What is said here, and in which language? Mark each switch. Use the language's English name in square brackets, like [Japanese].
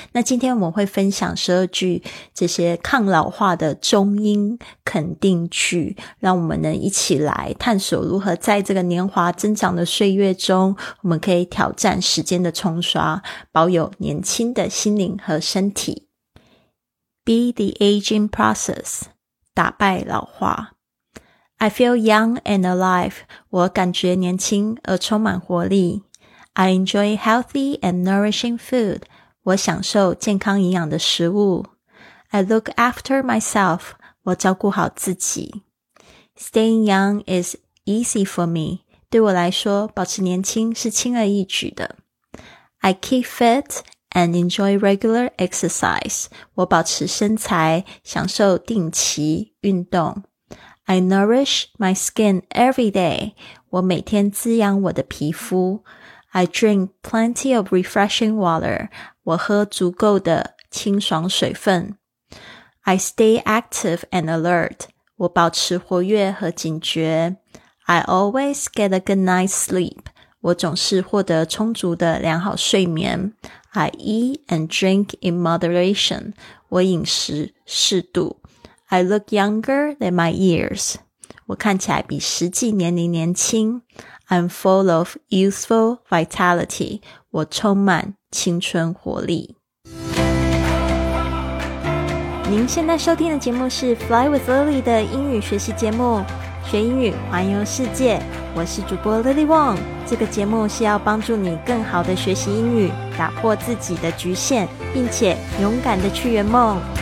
[Chinese] 那今天我们会分享12句这些抗老化的中英肯定句，让我们呢一起来探索如何在这个年华增长的岁月中，我们可以挑战时间的冲刷，保有年轻的心灵和身体。 [English] Be the aging process， [Chinese] 打败老化。 [English] I feel young and alive， [Chinese] 我感觉年轻而充满活力。 [English] I enjoy healthy and nourishing food， [Chinese] 我享受健康营养的食物。 [English] I look after myself， [Chinese] 我照顾好自己。 [English] Staying young is easy for me， [Chinese] 对我来说保持年轻是轻而易举的。 [English] I keep fit and enjoy regular exercise， [Chinese] 我保持身材，享受定期运动。 [English] I nourish my skin every day， [Chinese] 我每天滋养我的皮肤。 [English] I drink plenty of refreshing water， [Chinese] 我喝足够的清爽水分。 [English] I stay active and alert， [Chinese] 我保持活跃和警觉。 [English] I always get a good night's sleep， [Chinese] 我总是获得充足的良好睡眠。 [English] I eat and drink in moderation， [Chinese] 我饮食适度。 [English] I look younger than my years， [Chinese] 我看起来比实际年龄年轻。 [English] I'm full of youthful vitality， [Chinese] 我充满青春活力。您现在收听的节目是 Fly with Lily 的英语学习节目，学英语环游世界，我是主播 Lily Wong。这个节目是要帮助你更好的学习英语，打破自己的局限，并且勇敢的去圆梦。